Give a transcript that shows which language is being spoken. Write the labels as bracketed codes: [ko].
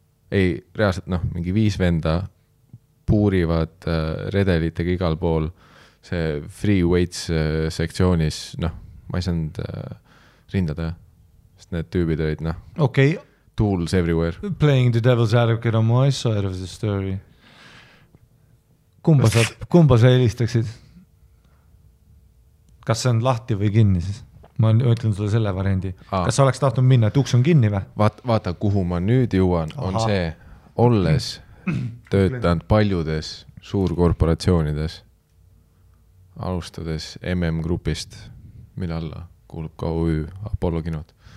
[et] Ei, reaalselt, noh, mingi viis venda puurivad redelitega igal pool see free weights sektsioonis, noh, ma ei saanud rindada, sest need tüübid olid, noh. [en] Okei. Okay. Tools everywhere. Playing the devil's advocate on my side of the story. [et] Kumba sa helistaksid? Kas see on lahti või kinni siis? ma ütlen sulle selle variandi. Kas sa oleks tahtnud minna, et uks on kinni või? Vaata, kuhu ma nüüd jõuan, on see, olles töötanud paljudes suurkorporatsioonides, alustades MM-grupist, mille alla kuulub ka OÜ Apollo kinud.